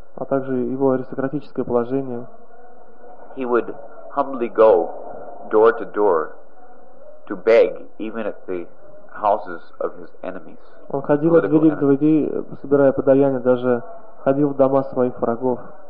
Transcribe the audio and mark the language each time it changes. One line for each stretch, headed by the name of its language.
Russian: а также его аристократическое положение,
English: he would humbly go door to door to beg even at the houses of his enemies.
Russian: Он ходил от двери к двери, собирая подаяние, даже ходил в дома своих врагов.